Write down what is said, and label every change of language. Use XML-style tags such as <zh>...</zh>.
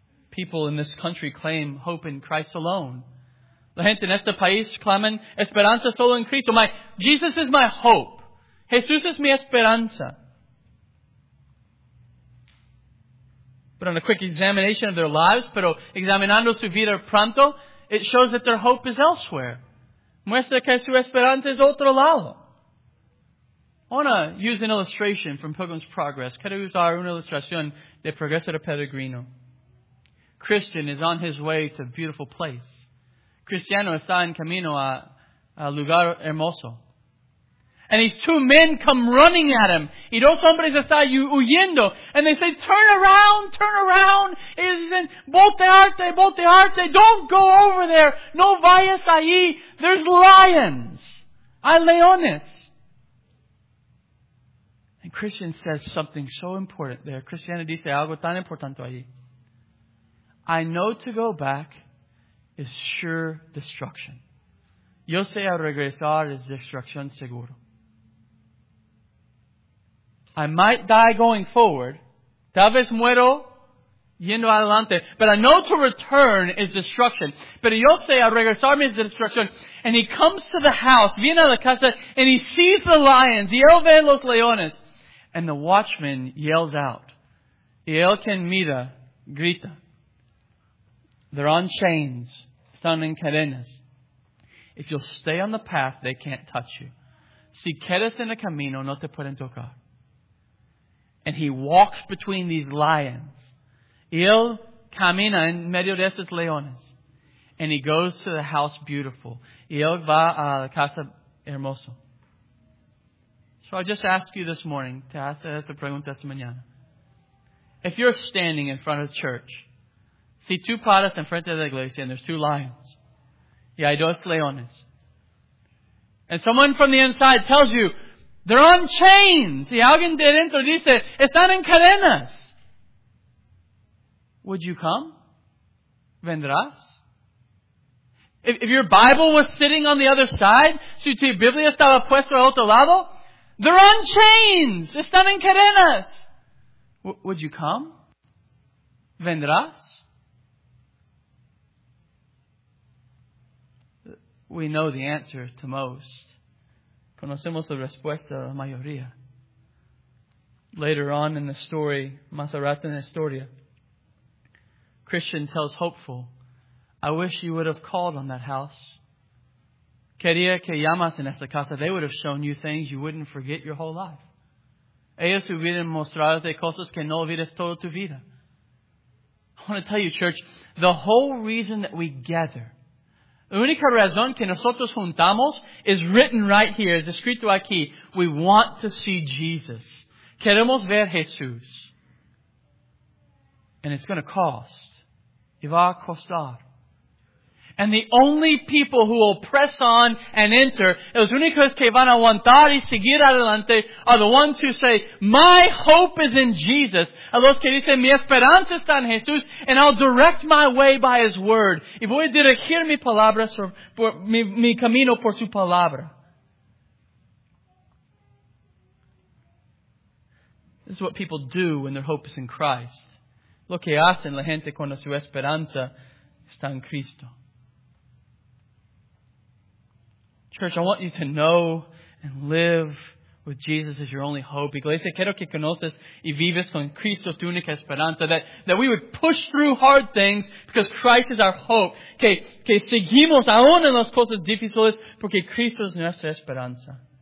<en>People in this country claim hope in Christ alone.</en> <es>La gente en este país claman esperanza solo en Cristo.</es> <en>Jesus is my hope.</en> <es>Jesús es mi esperanza.</es> <en>But on a quick examination of their lives,</en> <es>pero examinando su vida pronto,</es> <en>it shows that their hope is elsewhere.</en> <es>Muestra que su esperanza es otro lado.</es> <en>I want to use an illustration from Pilgrim's Progress.</en> <es>Quiero usar una ilustración de Progreso de Peregrino.</es> <en>Christian is on his way to a beautiful place.</en> <es>Cristiano está en camino a lugar hermoso.</es> <en>And these two men come running at him.</en> <es>Y dos hombres están huyendo.</es> <en>And they say, turn around, turn around.</en> <es>Y dicen, voltearte, voltearte.</es> <en>Don't go over there.</en> <es>No vayas ahí.</es> <en>There's lions.</en> <es>Hay leones.</es> <en>And Christian says something so important there.</en> <es>Cristiano dice algo tan importante allí.</es> <en>I know to go back is sure destruction.</en> <es>Yo sé a regresar es destrucción seguro.</es> <en>I might die going forward.</en> <es>Tal vez muero yendo adelante.</es> <en>But I know to return is destruction.</en> <es>Pero yo sé a regresar es destrucción.</es> <en>And he comes to the house,</en> <es>viene a la casa,</es> <en>and he sees the lions.</en> <es>Y él ve los leones.</es> <en>And the watchman yells out.</en> <es>Y él quien mira, grita.</es> <en>They're on chains.</en> <es>Están en cadenas.</es> <en>If you'll stay on the path, they can't touch you.</en> <es>Si quedas en el camino, no te pueden tocar.</es> <en>and he walks between these lions.</en> <es>Él camina en medio de estos leones.</es> <en>And he goes to the house beautiful.</en> <es>Y él va a la casa hermosa.</es> <en>So I just ask you this morning,</en> <es>te hace esta pregunta esta mañana.</es> <en>If you're standing in front of church,</en> <es>si tú paras en frente de la iglesia</es> <en>and there's two lions,</en> <es>y hay dos leones,</es> <en>and someone from the inside tells you, they're on chains,</en> <es>y alguien de dentro dice, están en cadenas,</es> <en>would you come?</en> <es>¿Vendrás?</es> <en>If your Bible was sitting on the other side,</en> <es>si tu Biblia estaba puesta al otro lado,</es> <en>they're on chains,</en> <es>están en cadenas,</es> <en>would you come?</en> <es>¿Vendrás?</es> <en>We know the answer to most.</en> <es>Conocemos la respuesta a la mayoría.</es> <en>Later on in the story,</en> <es>más rato en la historia,</es> <en>Christian tells Hopeful, I wish you would have called on that house.</en> <es>Quería que llamas en esa casa.</es> <en>They would have shown you things you wouldn't forget your whole life.</en> <es>Ellos hubieran mostrado cosas que no olvides toda tu vida.</es> <en>I want to tell you, church, the whole reason that we gather,</en> <es>la única razón que nosotros juntamos</es> <en>is written right here,</en> <es>es escrito aquí.</es> <en>We want to see Jesus.</en> <es>Queremos ver Jesús.</es> <en>And it's going to cost.</en> <es>Y va a costar.</es> <en>And the only people who will press on and enter,</en> <es>los únicos que van a aguantar y seguir adelante,</es> <en>are the ones who say, my hope is in Jesus.</en> <es>A los que dicen, mi esperanza está en Jesús,</es> <en>and I'll direct my way by His Word.</en> <es>Y voy a dirigir mi palabra, mi camino por su palabra.</es> <en>This is what people do when their hope is in Christ.</en> <es>Lo que hacen la gente cuando su esperanza está en Cristo.</es> <en>Church, I want you to know and live with Jesus as your only hope.</en> <es>Iglesia, quiero que conoces y vives con Cristo tu única esperanza.</es> <en>That we would push through hard things because Christ is our hope.</en> <es>Que seguimos aún en las cosas difíciles porque Cristo es nuestra esperanza.</es>